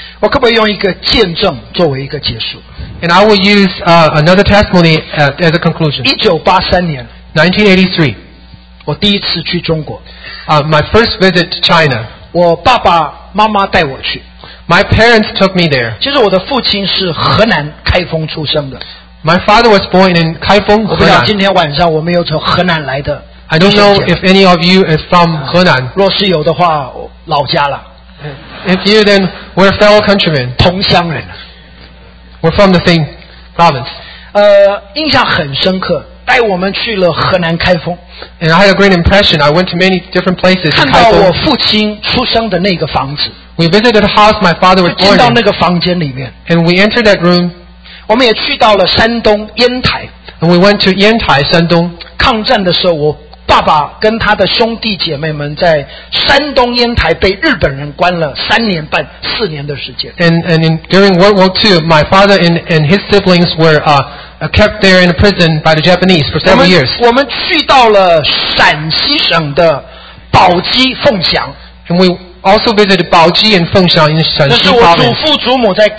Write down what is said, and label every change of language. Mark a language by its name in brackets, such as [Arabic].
[Chinese] 我可不可以用一个见证作为一个结束? [English] And I will use another testimony as a conclusion. [Chinese] 1983年, [English] 1983, my first visit to China. [Chinese] 我爸爸妈妈带我去, [English] my parents took me there. [Chinese] 其实我的父亲是河南开封出生的, [English] my father was born in Kaifeng, Henan. [Chinese] 我不知道今天晚上我们又从河南来的, [English] I don't know if any of you is from Henan. [Chinese] 若是有的话, 老家了。 [English] If you then, we're fellow countrymen. [Chinese] 同乡人, [English] we're from the same province. [Chinese] 印象很深刻, 带我们去了河南开封, [English] and I had a great impression. I went to many different places. [Chinese] 看到我父亲出生的那个房子, [English] we visited the house my father was born in. [Chinese] 进到那个房间里面, [English] and we entered that room. [Chinese] 我们也去到了山东烟台, [English] and we went to 烟台山东. [Chinese] 抗战的时候我 爸爸跟他的兄弟姐妹们在山东烟台被日本人关了三年半、四年的时间。 [English] And during World War II, my father and his siblings were kept there in a prison by the Japanese for several years. [Chinese] 我们去到了陕西省的宝鸡凤翔。 [English] And we also visited 宝鸡 and 凤翔 in 陕西 province.